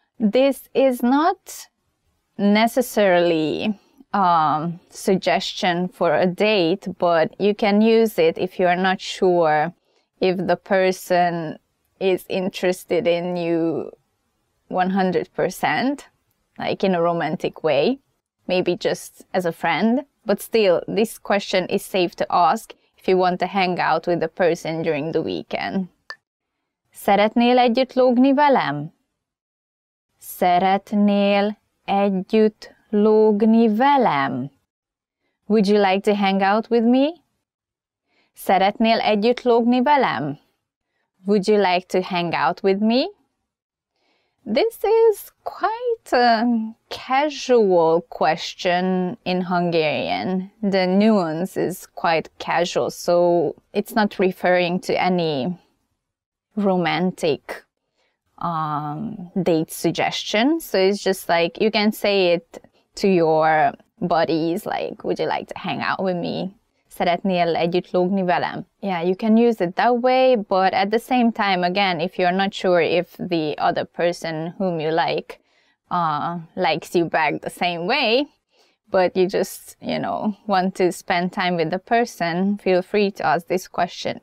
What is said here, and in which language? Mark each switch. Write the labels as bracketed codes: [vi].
[en] This is not necessarily a suggestion for a date, but you can use it if you're not sure if the person is interested in you 100%, like in a romantic way, maybe just as a friend. But still, this question is safe to ask if you want to hang out with a person during the weekend. [hu] Szeretnél együtt lógni velem? Szeretnél együtt lógni velem? [en] Would you like to hang out with me? [hu] Szeretnél együtt lógni velem? [en] Would you like to hang out with me? This is quite a casual question in Hungarian. The nuance is quite casual, so it's not referring to any romantic date suggestion. So it's just like, you can say it to your buddies, like, would you like to hang out with me? [hu] Szeretnél együtt lógni velem? [en] Yeah, you can use it that way, but at the same time, again, if you're not sure if the other person whom you like likes you back the same way, but you just, you know, want to spend time with the person, feel free to ask this question.